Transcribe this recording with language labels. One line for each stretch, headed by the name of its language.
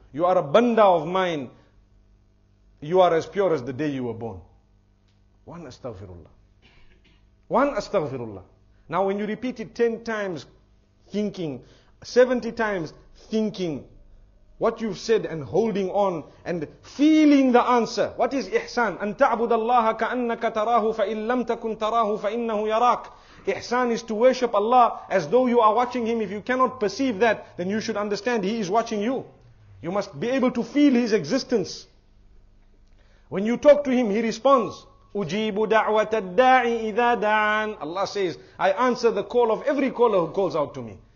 English: You are a banda of mine. You are as pure as the day you were born. One astaghfirullah. One astaghfirullah. Now when you repeat it 10 times thinking, 70 times thinking, what you've said and holding on and feeling the answer. What is ihsan?
Arabic: أن تعبد الله كأنك تراه فإن لم تكن تراه فإنه يراك.
English: Ihsan is to worship Allah as though you are watching him. If you cannot perceive that, then you should understand he is watching you. You must be able to feel his existence. When you talk to him, he responds.
Arabic: Ujibu da'wat ad-da'i idha da'an.
English: Allah says, I answer the call of every caller who calls out to me.